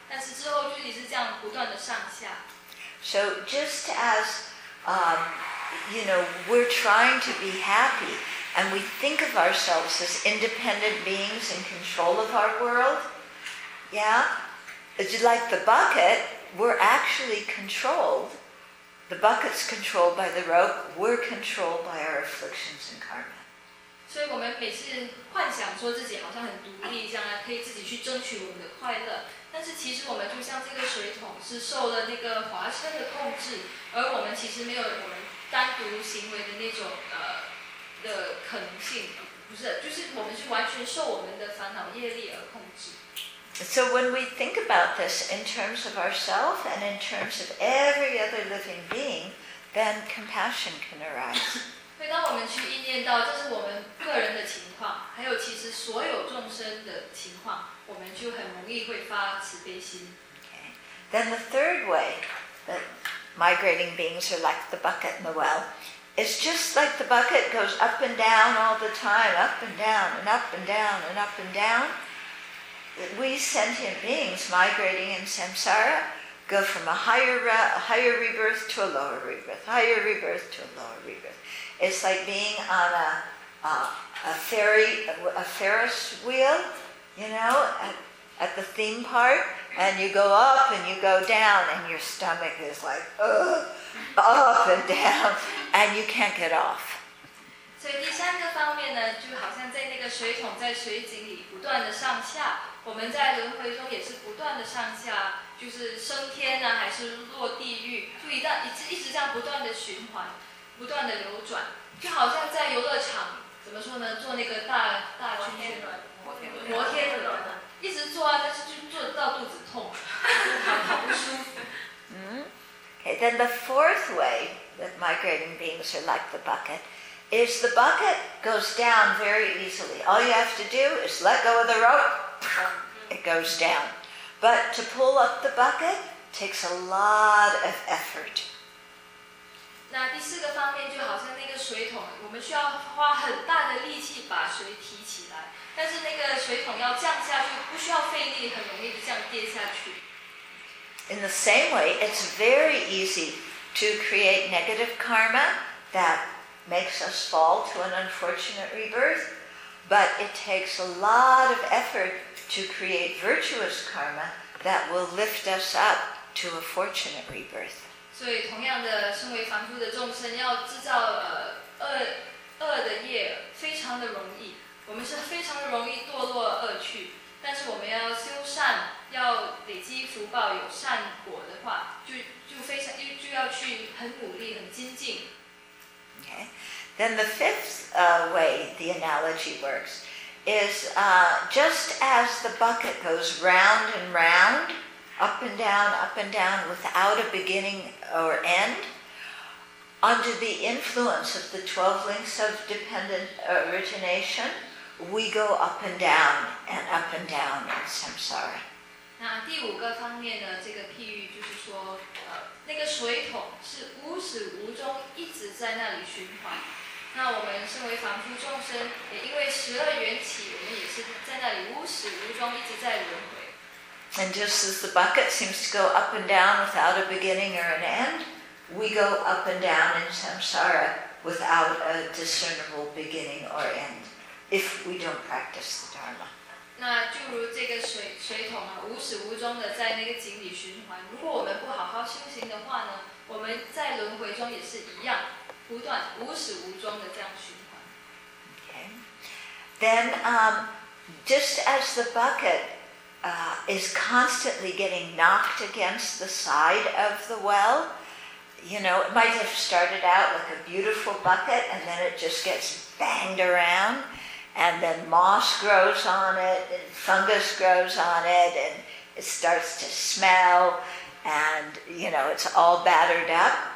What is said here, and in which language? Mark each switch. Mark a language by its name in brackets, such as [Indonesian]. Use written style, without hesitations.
[Chinese] 但是之后就也是这样不断的上下。 [English] So just as, you know, we're trying to be happy. And we think of ourselves as independent beings in control of our world. Yeah? Like the bucket, we're actually controlled. The bucket's controlled by the rope. We're controlled by our afflictions and karma. So we always [Chinese] 幻想说自己好像很独立，这样可以自己去争取我们的快乐。但是其实我们就像这个水桶，是受了那个滑车的控制，而我们其实没有我们单独行为的那种 [English] So when we think about this in terms of ourselves and in terms of every other living being, then compassion can arise. [Chinese] 所以当我们去意念到这是我们个人的情况，还有其实所有众生的情况，我们就很容易会发慈悲心。 [English] Okay. Then the third way that migrating beings are like the bucket in the well. It's just like the bucket goes up and down all the time, up and down, and up and down, and up and down. We sentient beings migrating in samsara go from a higher rebirth to a lower rebirth, higher rebirth to a lower rebirth. It's like being on a Ferris wheel, you know, at the theme park, and you go up and you go down, and your stomach is like, up and down, and you can't get off. [Chinese] 所以第三个方面呢，就好像在那个水桶在水井里不断的上下，我们在轮回中也是不断的上下，就是升天呢，还是落地狱，就一直这样不断的循环，不断的流转，就好像在游乐场，怎么说呢，做那个大圈圈轮，摩天轮啊，一直做啊，但是就做到肚子痛，好不舒服。 [English] Okay, then the fourth way that migrating beings are like the bucket is the bucket goes down very easily. All you have to do is let go of the rope, it goes down. But to pull up the bucket takes a lot of effort. [Chinese] 那第四个方面就好像那个水桶，我们需要花很大的力气把水提起来，但是那个水桶要降下去不需要费力，很容易的这样跌下去。 [English] In the same way, it's very easy to create negative karma that makes us fall to an unfortunate rebirth, but it takes a lot of effort to create virtuous karma that will lift us up to a fortunate rebirth. [Chinese] 所以同样的，身为凡夫的众生要制造恶的业非常的容易，我们是非常容易堕落恶趣，但是我们要修善，要累积福报有善果的话，就非常就要去很努力很精进。 [English] Okay. Then the fifth way the analogy works is just as the bucket goes round and round, up and down, without a beginning or end, under the influence of the 12 links of dependent origination, we go up and down and up and down in samsara. [Chinese] 那第五个方面呢，这个譬喻就是说那个水桶是无始无终一直在那里循环，那我们身为凡夫众生也因为十二缘起，我们也是在那里无始无终一直在轮回。 [English] And just as the bucket seems to go up and down without a beginning or an end, we go up and down in samsara without a discernible beginning or end if we don't practice the dharma. [Chinese] 那就如这个 水桶啊，无始无终的在那个井里循环，如果我们不好好修行的话呢，我们在轮回中也是一样，不断无始无终的这样循环。 [English] Okay. Then just as the bucket is constantly getting knocked against the side of the well, you know, it might have started out like a beautiful bucket and then it just gets banged aroundAnd then moss grows on it, and fungus grows on it, and it starts to smell, and, you know, it's all battered up.